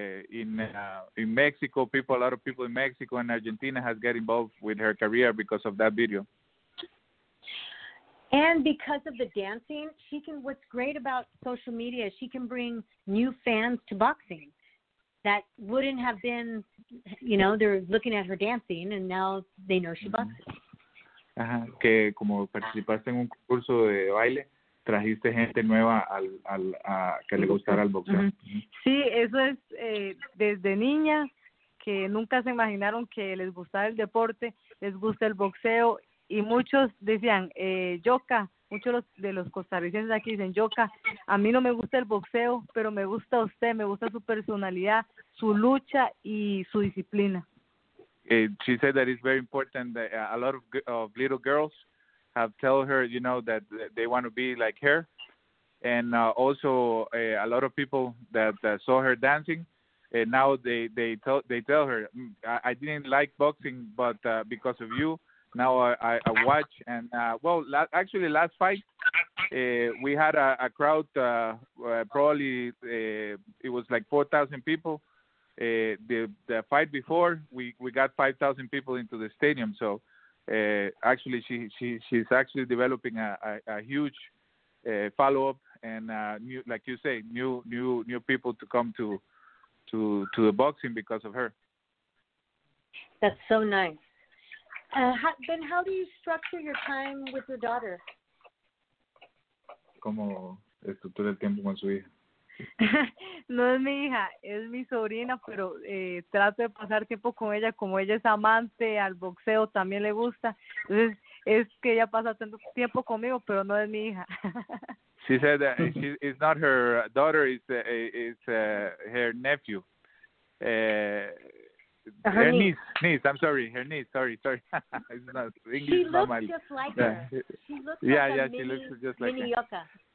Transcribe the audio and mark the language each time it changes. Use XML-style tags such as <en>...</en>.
<en>In Mexico, people, a lot of people in Mexico and Argentina has got involved with her career because of that video. And because of the dancing, she can. What's great about social media is she can bring new fans to boxing that wouldn't have been, they're looking at her dancing and now they know she boxes.</en> <es>Ajá, que como participaste en un curso de baile, trajiste gente nueva al que le gustara el boxeo. Sí, eso es desde niña, que nunca se imaginaron que les gustaba el deporte, les gusta el boxeo, y muchos decían, Yoka, muchos de los costarricenses aquí dicen, Yoka, a mí no me gusta el boxeo, pero me gusta usted, me gusta su personalidad, su lucha y su disciplina.</es> <en>She said that it's very important that a lot of little girls have told her, you know, that they want to be like her. And also a lot of people that saw her dancing, and now they tell her, I didn't like boxing, but because of you, now I watch. And actually last fight, we had a crowd, probably it was like 4,000 people. The fight before, we got 5,000 people into the stadium. So actually she's actually developing a huge follow-up, and new, like you say, new people to come to the boxing because of her. That's so nice. Ben, how do you structure your time with your daughter?</en> <es>¿Cómo estructura el tiempo con su hija? No es mi hija, es mi sobrina, pero trato de pasar tiempo con ella. Como ella es amante al boxeo, también le gusta. Entonces, es que ella pasa tanto tiempo conmigo, pero no es mi hija.</es> <en>She said that it's not her daughter, it's her nephew. Her niece, sorry. It's not English, she looks just like her. Yeah. She looks she looks just like mini Yoka.</en>